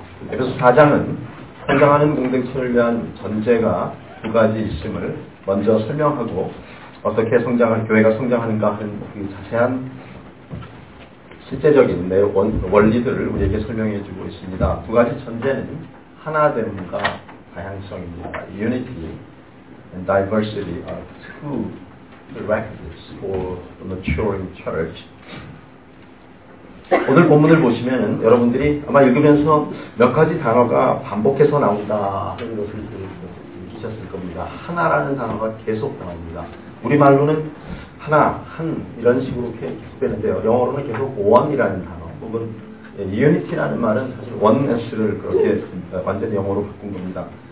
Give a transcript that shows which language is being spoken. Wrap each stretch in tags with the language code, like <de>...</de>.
<ko>에베소 4장은 성장하는 공동체를 위한 전제가 두 가지 있음을 먼저 설명하고 어떻게 성장할 교회가 성장하는가 하는 그 자세한 실제적인 원리들을 우리에게 설명해 주고 있습니다. 두 가지 전제는 하나됨과 다양성입니다.</ko> <en>Unity and diversity are two prerequisites for the maturing church.</en> <ko>오늘 본문을 보시면 여러분들이 아마 읽으면서 몇 가지 단어가 반복해서 나온다 하는 것을 느끼셨을 겁니다. 하나라는 단어가 계속 나옵니다. 우리말로는 하나, 한 이런 식으로 계속되는데요. 영어로는 계속 one이라는 단어 혹은 unity라는 말은 사실 oneness를 그렇게 완전히 영어로 바꾼 겁니다.</ko>